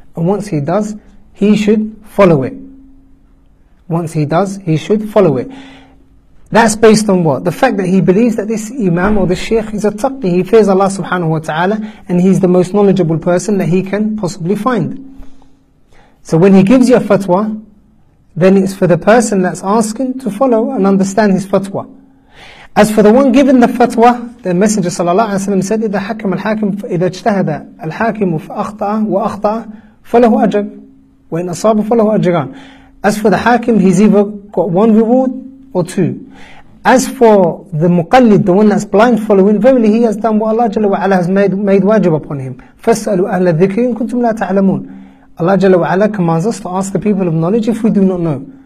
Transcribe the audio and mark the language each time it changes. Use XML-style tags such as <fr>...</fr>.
<en>And once he does, he should follow it. Once he does, he should follow it. That's based on what? The fact that he believes that this imam or this sheikh is a taqi, he fears Allah subhanahu wa ta'ala, and he's the most knowledgeable person that he can possibly find. So when he gives you a fatwa, then it's for the person that's asking to follow and understand his fatwa. As for the one given the fatwa, the Messenger sallallahu alaihi wasallam said,</en> <ar>إِذَا حَكَمَ الْحَاكِمُ إِذَا اجْتَهَدَ الْحَاكِمُ فَأَخْطَأَ وَأَخْطَأَ فَلَهُ أَجْرٌ وَإِنْ أَصَابَ فَلَهُ أَجْرٌ.</ar> <en>As for the hakim, he's either got one reward or two. As for the muqallid, the one that's blind following, verily he has done what Allah jalla wa ala has made wajib upon him.</en> <ar>فَاسْأَلُوا أَهْلَ الذِّكْرِ إِن كُنْتُمْ لَا تَعْلَمُونَ.</ar> <en>Allah jalla wa ala commands us to ask the people of knowledge if we do not know.</en>